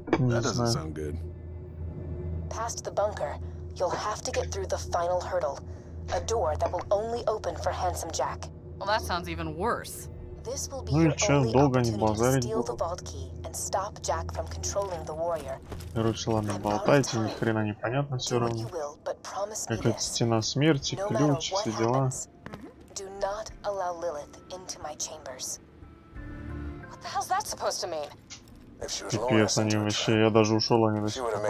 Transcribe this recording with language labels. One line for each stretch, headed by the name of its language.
English: That doesn't sound good. Past the bunker, you'll have to get through the final hurdle, a door that will only open for Handsome Jack. Well, that sounds even worse. This will be your only opportunity to steal the vault key and stop Jack from controlling the warrior.
Russian: Короче, ладно, болтайте, ни хрена не понятно все равно. Как это стена смерти, ключ, все дела.
English: Do not allow Lilith into my chambers. What the hell's that supposed to mean?
Russian: Пипец, они вообще, я даже ушел, они вообще.